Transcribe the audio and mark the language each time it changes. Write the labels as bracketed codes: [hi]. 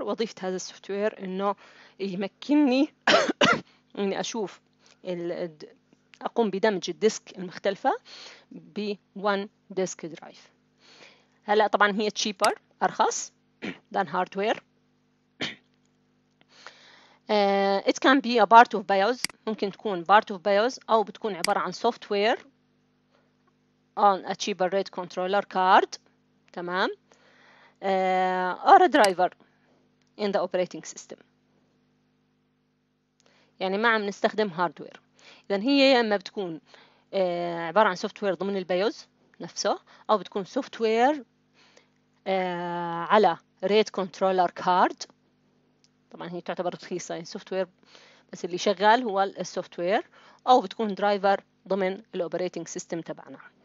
[ar] وظيفة هذا السوفتوير إنه يمكنني إني أشوف أقوم بدمج الديسك المختلفة ب [en] one disk drive. [ar] هلا طبعا هي cheaper، أرخص [en] than hardware. It can be a part of BIOS، [ar] ممكن تكون [en] part of BIOS [ar] أو بتكون عبارة عن [en] software on a cheaper RAID controller card، [ar] تمام، [en] or a driver in the operating system. [ar] يعني ما عم نستخدم هاردوير. إذا هي يا إما بتكون عبارة عن software ضمن البيوز نفسه، أو بتكون software على RAID controller card. طبعاً هي تعتبر رخيصة software، بس اللي شغال هو software، أو بتكون driver ضمن operating system تبعنا.